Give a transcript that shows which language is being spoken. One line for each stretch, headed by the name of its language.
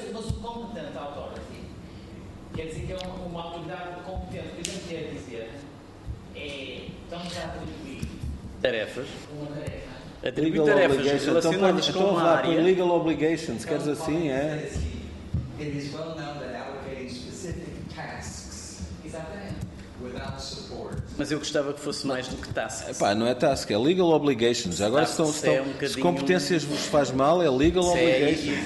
Portuguese: Mas o competent authority quer dizer que é uma autoridade competente. O que eu tenho que dizer é estamos a atribuir tarefas. Uma tarefa. Atribuir legal tarefas relacionadas então, com uma área.
English: Legal obligations. Legal obligations.
Portuguese: Queres assim, é?
English: It is well known that allocating specific tasks without support.
Portuguese: Mas eu gostava que fosse mais do que tasks. Epá, não é task, é legal obligations. Agora se competências vos faz mal, é legal obligations.